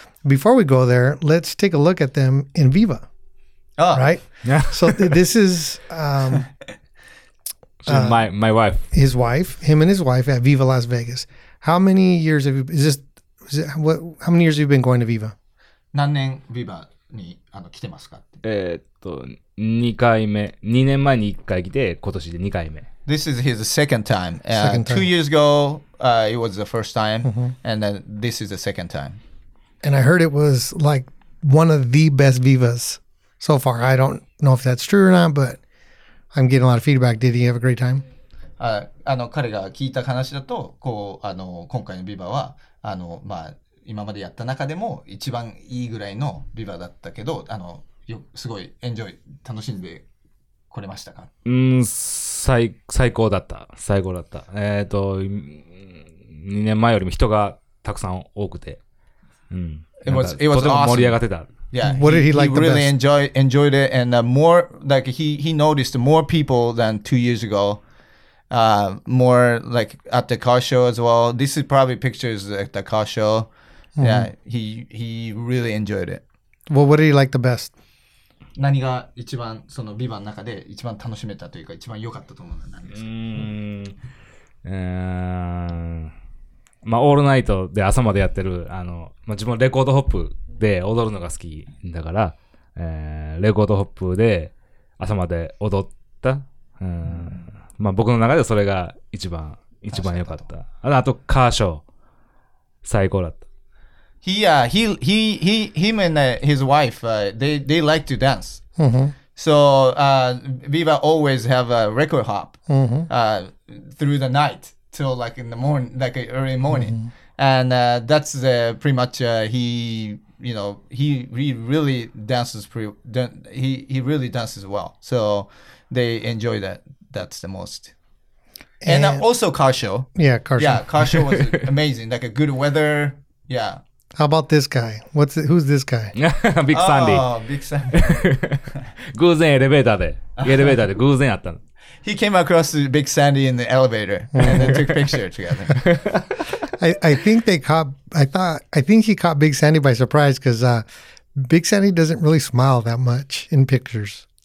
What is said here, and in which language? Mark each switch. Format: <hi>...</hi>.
<en>Before we go there, let's take a look at them in Viva. Oh. Right? Yeah. So this is... My wife. His wife. Him and his wife at Viva Las Vegas. How many years have you... how many years have you been going to Viva?</en> <ja>何年 Viva に来てますか? 2年前に1回来て、今年で2回目。</ja> <en>This is his second time. Two years ago, it was the first time. Mm-hmm. And then this is the second time. And I heard it was like one of the best Vivas so far. I don't know if that's true or not, but I'm getting a lot of feedback. Did he have a great time?</en> <ja>彼が聞いた話だと、こう、今回のビバは、まあ、今までやった中でも一番いいぐらいのビバだったけど、すごいエンジョイ、楽しんで来れましたか？最高だった。最高だった。 2年前よりも人がたくさん多くて、とても盛り上がってた。</ja> <en>Yeah, what did he like the best? He really enjoyed it, and more like he noticed more people than 2 years ago. More like at the car show as well. This is probably pictures at the car show. Mm-hmm. Yeah, he really enjoyed it. Well, what did he like the best?</en> <ja>何が一番そのビバの中で一番楽しめたというか一番良かったと思うのは何ですか？まあオールナイトで朝までやってる自分レコードホップで踊るのが好きだから、レコードホップで朝まで踊った、まあ僕の中ではそれが一番良かった。あとカーショー最高だった。</ja> <en>Him and his wife, they like to dance. Mm-hmm. So Viva always have a record hop, mm-hmm. Through the night till like in the morning, like early morning, mm-hmm. and that's pretty much he really dances well. So they enjoy that's the most. And also car show. Yeah, car show. Yeah, car show was amazing. Like a good weather. Yeah. How about this guy? Who's this guy? Big Sandy. Oh, Big Sandy.</en> <ja>偶然エレベーターで偶然あったの。</ja> <en>He came across Big Sandy in the elevator and then took picture together. I think he caught Big Sandy by surprise because Big Sandy doesn't really smile that much in pictures.</en>